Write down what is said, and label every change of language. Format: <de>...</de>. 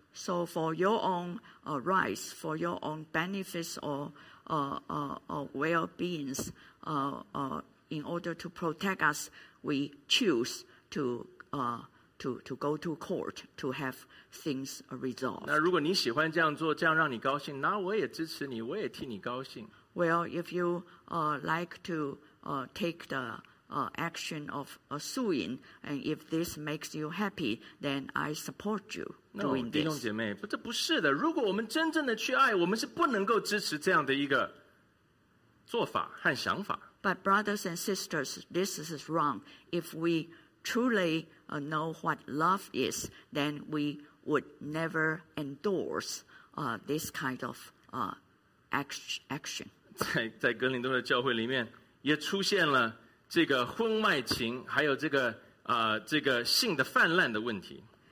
<en>So for your own rights, for your own benefits or well-beings, in order to protect us, we choose to go to court to have things resolved.</en> <zh>那如果你喜欢这样做，这样让你高兴，那我也支持你，我也替你高兴。</zh> <en>Well, if you like to take the action of suing, and if this makes you happy, then I support you doing this.</en> <zh>弟兄姐妹，不，这不是的。如果我们真正的去爱，我们是不能够支持这样的一个做法和想法。</zh> <en>But brothers and sisters, this is wrong. If we truly know what love is, then we would never endorse this kind of action.</en> <zh>在哥林多的教会里面也出现了这个婚外情，还有这个这个性的泛滥的问题。</zh>